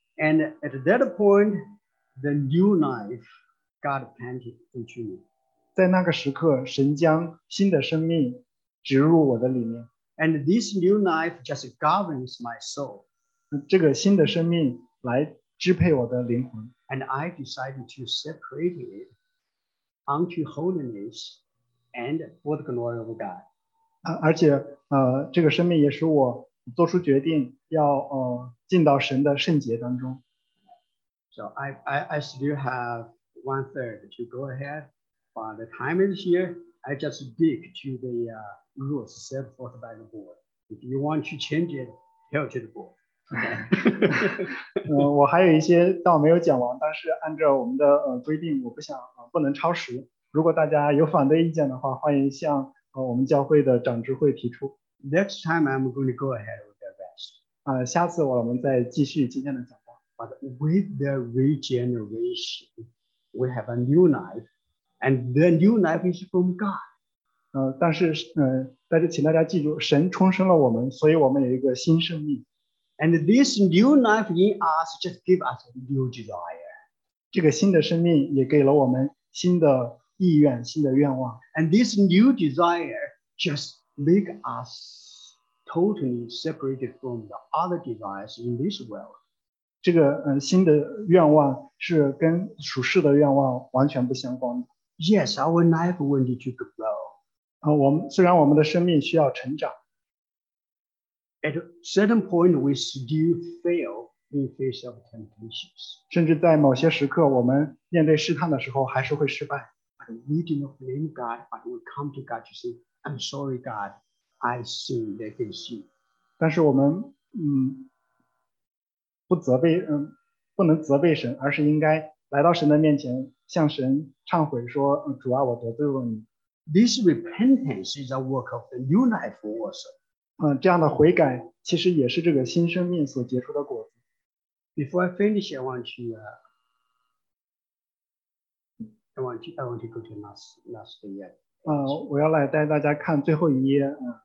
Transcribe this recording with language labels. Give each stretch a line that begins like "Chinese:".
English: And at that point, the new life God planted into me.
Chinese: 在那个时刻，神将新的生命植入我的里面。
English: And this new life just governs my soul.
Chinese: 这个新的生命来支配我的灵魂。
English: And I decided to separate it unto holiness and for the glory of God.
Chinese: 而且这个生命也使我做出决定要进到神的圣洁当中。
English: So I still have one third to go ahead. But the time is here. I just dig to the... rules set forth by the board. If you want to change it, tell to the board. Okay.
Chinese: 我还有一些道没有讲完，但是按照我们的规定，我不想不能超时。如果大家有反对意见的话，欢迎向我们教会的长执会提出。
English: Next time I'm going to go ahead with the rest.
Chinese: 下次我们再继续今天的讲话。
English: But with the regeneration, we have a new life, and the new life is from God.
Chinese: 但是但是请大家记住神重生了我们所以我们有一个新生命。
English: And this new life in us just give us a new desire.
Chinese: 这个新的生命也给了我们新的意愿新的愿望。
English: And this new desire just make us totally separated from the other desires in this world.
Chinese: 这个新的愿望是跟属世的愿望完全不相关的。
English: Yes, our life will need to grow.
Chinese: 虽然我们的生命需要成长。
English: At a certain point, we still fail in face of temptations.
Chinese: 甚至在某些时刻，我们面对试探的时候还是会失败。
English: But we do not blame God, but we come to God to say, I'm sorry, God, I sinned against you.
Chinese: 但是我们不责备不能责备神，而是应该来到神的面前向神忏悔说，主啊，我得罪了你。
English: This repentance is a work of the new life also.
Chinese: 这样的悔改其实也是这个新生命所结出的果子。
English: Before I finish, I want to go to last day yet.
Chinese: 我要来带大家看最后一页。